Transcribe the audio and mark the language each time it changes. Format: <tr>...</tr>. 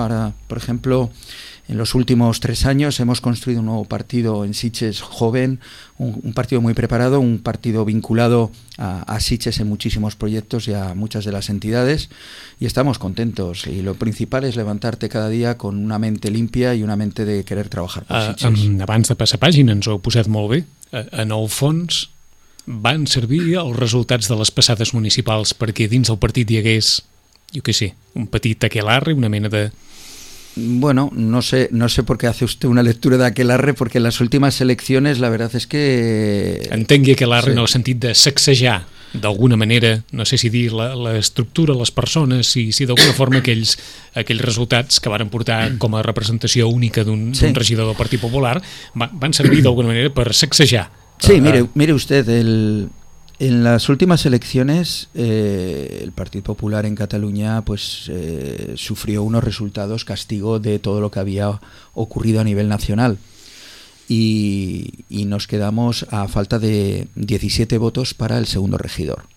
<es>Ahora, por ejemplo, en los últimos 3 años hemos construido un nuevo partido en Sitges joven, un partido muy preparado, un partido vinculado a Sitges en muchísimos proyectos y a muchas de las entidades, y estamos contentos, y lo principal es levantarte cada día con una mente limpia y una mente de querer trabajar.</es> <ca>Abans de passar pàgina, ens ho heu posat molt bé. En el fons, van servir els resultats de les passades municipals perquè dins del partit hi hagués, jo què sé, un petit aquelarre, una mena de...</ca> <es>Bueno, no sé por qué hace usted una lectura de aquelarre, porque en las últimas elecciones la verdad es que...</es> <ca>Entengui aquelarre sí. En el sentit de sacsejar, d'alguna manera, no sé si dir l'estructura, les persones, si d'alguna forma aquells resultats que varen portar com a representació única d'un sí. regidor del Partit Popular van servir d'alguna manera per sacsejar.</ca> <es>Sí, mire usted, en las últimas elecciones el Partido Popular en Cataluña pues sufrió unos resultados castigo de todo lo que había ocurrido a nivel nacional y nos quedamos a falta de 17 votos para el segundo regidor.</es>